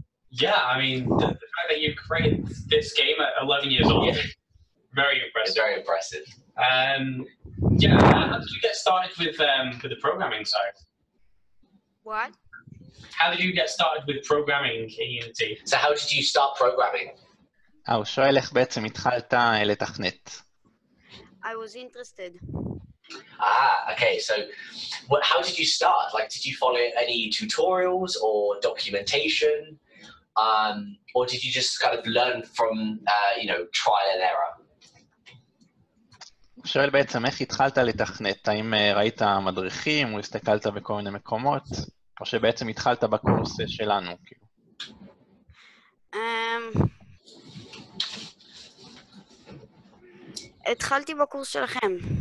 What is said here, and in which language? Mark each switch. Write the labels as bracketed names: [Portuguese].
[English] Yeah, I mean, the fact that you created this game at 11 years old, yeah. Very impressive. It's very impressive. How did you get started with the programming side? What? How did you get started with programming in Unity? So how did you start programming? [Hebrew] הוא שואל איך בעצם התחלת לתכנת. [English] I was interested. Ah, okay, so how did you start? Like, did you follow any tutorials or documentation? Or did you just kind of learn from, you know, trial and error? [Hebrew] הוא שואל בעצם איך התחלת לתכנת? האם ראית מדריכים או הסתכלת בכל מיני מקומות? או שבעצם התחלת בקורס שלנו, כאילו. התחלתי בקורס שלכם.